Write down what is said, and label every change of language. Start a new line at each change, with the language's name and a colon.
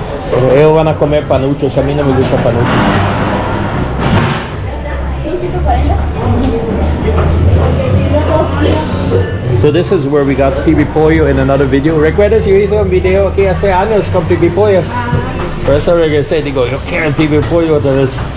Spanish: Pero ellos van a comer panuchos, a mí no me gusta panuchos.
English: So this is where we got pibipollo in another video.
Spanish: ¿Recuerdas? Yo hice un video aquí hace años con pibipollo. Por eso regresé, digo, yo quiero pibipollo otra vez.